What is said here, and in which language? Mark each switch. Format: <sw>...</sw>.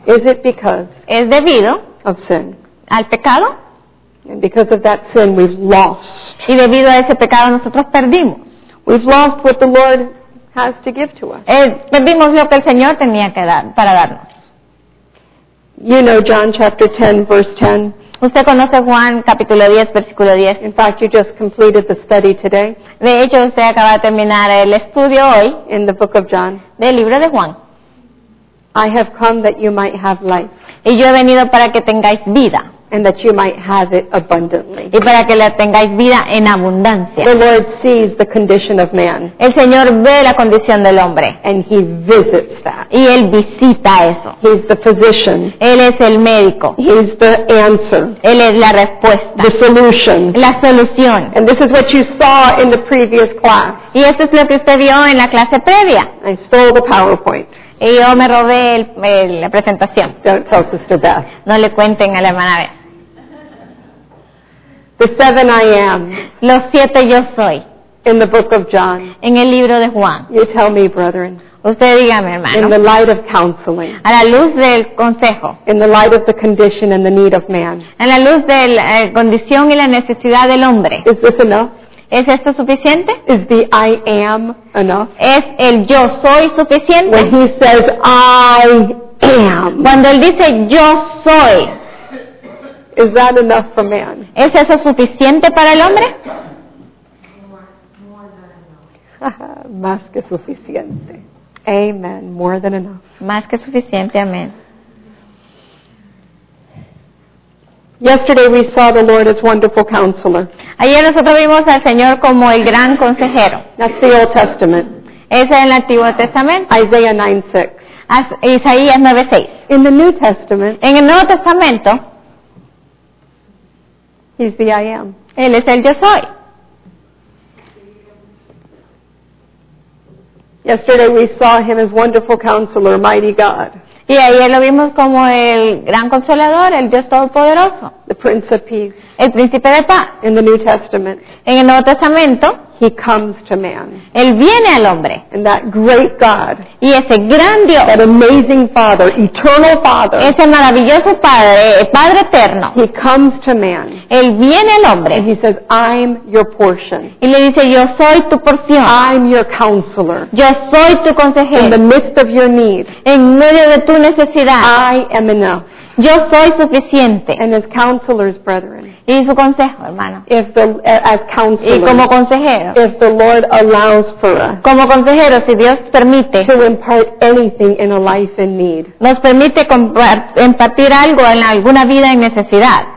<en>Is it because?</en> <es>¿Es debido?</es> <en>Of sin.</en> <es>¿Al pecado?</es> <en>And because of that sin we've lost.</en> <es>Y debido a ese pecado nosotros perdimos.</es> <en>We've lost what the Lord has to give to us.</en> <es>Perdimos lo que el Señor tenía que dar para darnos.</es> <en>You know John chapter 10 verse 10.</en> <es>¿Usted conoce Juan capítulo 10 versículo 10?</es> <en>In fact, you just completed the study today.</en> <es>De hecho, usted acaba de terminar el estudio hoy.</es> <en>In the book of John.</en> <es>Del libro de Juan.</es> <en>I have come that you might have life.</en> <es>Y yo he venido para que tengáis vida.</es> <en>And that you might have it abundantly.</en> <es>Y para que la tengáis vida en abundancia.</es> <en>The Lord sees the condition of man.</en> <es>El Señor ve la condición del hombre.</es> <en>And he visits that.</en> <es>Y él visita eso.</es> <en>He's the physician.</en> <es>Él es el médico.</es> <en>He's the answer.</en> <es>Él es la respuesta.</es> <en>The solution.</en> <es>La solución.</es> <en>And this is what you saw in the previous class.</en> <es>Y esto es lo que usted vio en la clase previa.</es> <en>I stole the PowerPoint.</en> <es>Y yo me robé la presentación.</es> <en>Don't tell Sister Beth.</en> <es>No le cuenten a la hermana Beth.</es> <en>The seven I am.</en> <es>Los siete yo soy.</es> <en>In the book of John.</en> <es>En el libro de Juan.</es> <en>You tell me, brethren.</en> <es>Usted dígame, hermano.</es> <en>In the light of counseling.</en> <es>A la luz del consejo.</es> <en>In the light of the condition and the need of man.</en> <es>En la luz de la condición y la necesidad del hombre.</es> <en>Is this enough?</en> <es>¿Es esto suficiente?</es> <en>Is the I am enough?</en> <es>¿Es el yo soy suficiente?</es> <en>When he says I am.</en> <es>Cuando él dice yo soy.</es> <en>Is that enough for man?</en> <es>¿Es eso suficiente para el hombre? Más que suficiente. Amen.</es> <en>More than enough.</en> <es>Más que suficiente. Amén.</es> <en>Yesterday we saw the Lord as wonderful counselor.</en> <es>Ayer nosotros vimos al Señor como el gran consejero.</es> <en>That's the Old Testament.</en> <es>Es en el Antiguo Testamento.</es> <en>Isaiah 9:6.</en> <es>Isaías 9:6.</es> <en>In the New Testament.</en> <es>En el Nuevo Testamento.</es> <en>He's the I am.</en> <es>Él es el yo soy.</es> <en>Yesterday we saw him as wonderful counselor, mighty God.</en> <es>Y ayer lo vimos como el gran consolador, el Dios Todopoderoso.</es> <en>The Prince of Peace.</en> <es>El Príncipe de Paz.</es> <en>In the New Testament.</en> <es>En el Nuevo Testamento.</es> <en>He comes to man.</en> <es>Él viene al hombre.</es> <en>And that great God.</en> <es>Y ese gran Dios.</es> <en>That amazing Father, eternal Father.</en> <es>Ese maravilloso Padre, Padre eterno.</es> <en>He comes to man.</en> <es>Él viene al hombre.</es> <en>And he says, I'm your portion.</en> <es>Y le dice, yo soy tu porción.</es> <en>I'm your counselor.</en> <es>Yo soy tu consejero.</es> <en>In the midst of your need.</en> <es>En medio de tu necesidad.</es> <en>I am enough.</en> <es>Yo soy suficiente.</es> <en>And as counselors, brethren.</en> <es>Y su consejo, hermano.</es> <en>If the, as counselors.</en> <es>Y como consejero.</es> <en>If the Lord allows for us.</en> <es>Como consejero, si Dios permite.</es> <en>To impart anything in a life in need.</en> <es>Nos permite impartir algo en alguna vida en necesidad.</es>